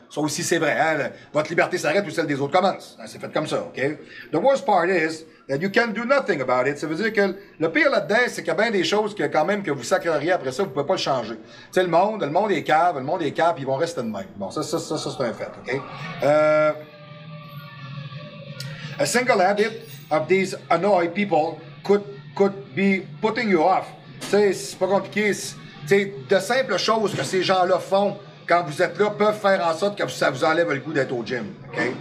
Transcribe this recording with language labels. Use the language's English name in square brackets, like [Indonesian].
[French] Ça aussi, c'est vrai, hein, votre liberté s'arrête ou celle des autres commence. Hein, c'est fait comme ça, OK? [English] The worst part is that you can do nothing about it. [French] Ça veut dire que le pire là-dedans, c'est qu'il y a bien des choses que quand même que vous sacreriez après ça, vous pouvez pas le changer. Tu sais, le monde est cave, ils vont rester de même. Bon, ça c'est un fait, OK? [English] A single habit of these annoying people could be putting you off. [French] Tu sais, c'est pas compliqué. Tu sais, de simples choses que ces gens-là font quand vous êtes là peuvent faire en sorte que ça vous enlève le goût d'être au gym, OK?